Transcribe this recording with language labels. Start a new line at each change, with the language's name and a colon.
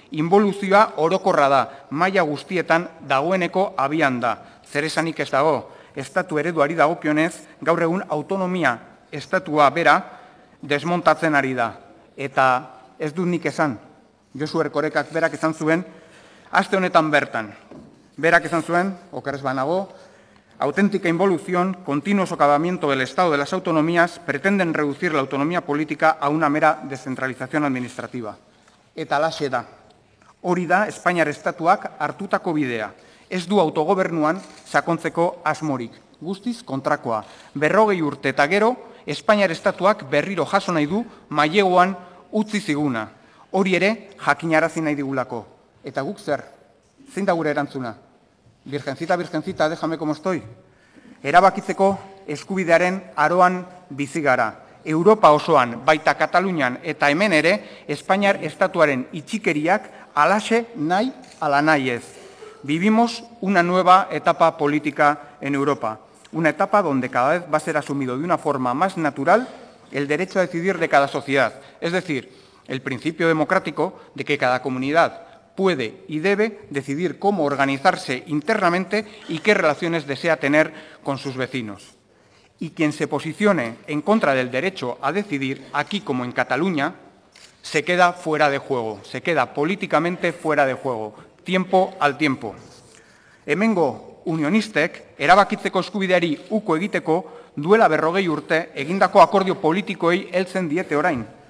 Basque: Involuzioa orokorra da, maila guztietan dagoeneko abian da. Zeresanik ez dago, estatu ereduari dagokionez, gaur egun autonomia estatua bera desmontatzen ari da. Eta ez dut nik esan, Josu Erkorekak berak esan zuen, aste honetan bertan. Berak esan zuen, okeres banago,
Spanish: auténtica involución, continuo socavamiento del Estado de las autonomías, pretenden reducir la autonomía política a una mera descentralización administrativa.
Basque: Eta alaxe da. Hori da, Espainiar Estatuak hartutako bidea. Ez du autogobernuan sakontzeko asmorik. Guztiz kontrakoa. 40 urte eta gero, Espainiar Estatuak berriro jaso nahi du maileguan utzi ziguna. Hori ere, jakinarazi nahi digulako. Eta guk zer, zein da gure erantzuna?
Spanish: Virgencita, virgencita, déjame como estoy.
Basque: Erabakitzeko eskubidearen aroan bizi gara. Europa osoan, baita Katalunian eta hemen ere, Espainiar Estatuaren itxikeriak alaxe nahi ala nahi ez.
Spanish: Vivimos una nueva etapa política en Europa, una etapa donde cada vez va a ser asumido de una forma más natural el derecho a decidir de cada sociedad, es decir, el principio democrático de que cada comunidad puede y debe decidir cómo organizarse internamente y qué relaciones desea tener con sus vecinos. Y quien se posicione en contra del derecho a decidir, aquí como en Cataluña, se queda fuera de juego, se queda políticamente fuera de juego, tiempo al tiempo.
Basque: Hemengo unionistek, erabakitzeko eskubideari uko egiteko, duela 40 urte, egindako akordio politikoei heltzen diete orain.